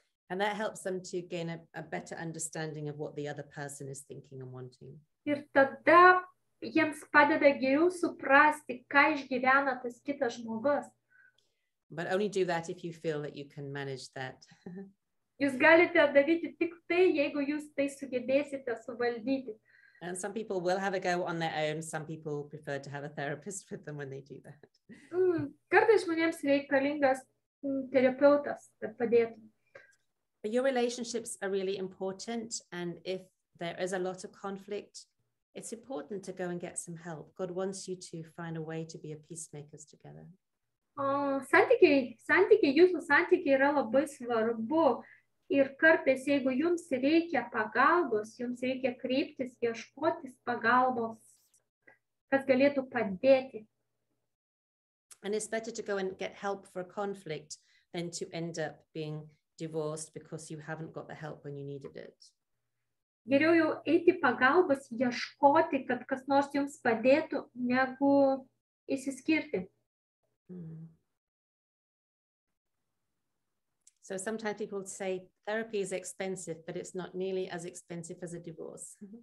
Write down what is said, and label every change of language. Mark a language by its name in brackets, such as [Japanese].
[English] And that helps them to gain a better understanding of what the other person is thinking and wanting. [Lithuanian] Ir tada jiems padeda geriau suprasti, ką išgyvena tas kitas žmogus. [English] But only do that if you feel that you can manage that. [Lithuanian] Jūs galite daryti tik tai, jeigu jūs tai sugebėsite suvaldyti. [English] And some people will have a go on their own. Some people prefer to have a therapist with them when they do that. [Lithuanian] Kartais žmonėms reikalingas terapeutas, kad padėtų. [English] But your relationships are really important. And if there is a lot of conflict, it's important to go and get some help. God wants you to find a way to be a peacemakers together. [Lithuanian] Jūsų santykiai yra labai svarbu. Ir kartais, jeigu jums reikia pagalbos, jums reikia kreiptis, ieškotis pagalbos, kas galėtų padėti. [English] And it's better to go and get help for a conflict than to end up being divorced because you haven't got the help when you needed it. [Lithuanian] Geriau jau eiti pagalbos, ieškoti, kad kas nors jums padėtų, negu išsiskirti. [English] So sometimes people say therapy is expensive, but it's not nearly as expensive as a divorce.